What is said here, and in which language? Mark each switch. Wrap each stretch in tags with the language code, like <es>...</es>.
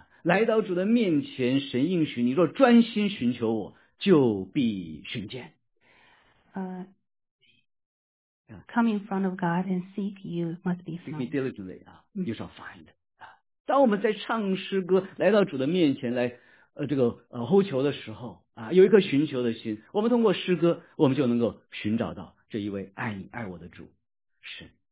<zh>来到主的面前，神应许你若专心寻求我，就必寻见。</zh> <en>Come in front of God and seek, you must be found. Seek me diligently, you shall find.</en> <zh>当我们在唱诗歌来到主的面前来呼求的时候有一颗寻求的心，我们通过诗歌我们就能够寻找到这一位爱你爱我的主神。</zh>